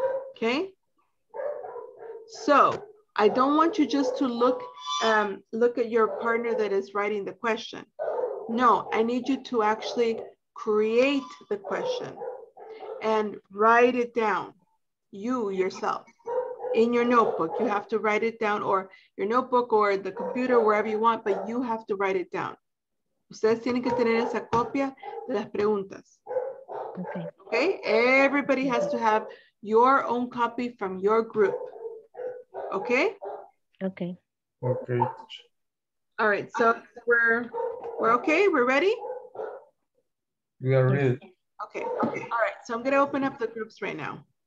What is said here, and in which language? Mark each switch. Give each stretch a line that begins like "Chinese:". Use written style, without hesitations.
English: Okay, so I don't want you just to look at your partner that is writing the question. No, I need you to actually create the question and write it down, you yourself, in your notebook. You have to write it down, or your notebook or the computer, wherever you want, but you have to write it down.
Spanish: Ustedes tienen que tener esa copia de las preguntas.
English: Okay, everybody has to have your own copy from your group. Okay? Okay. Okay. All right, so we're okay? We're ready? We are ready. Okay. All right, so I'm gonna open up the groups right now.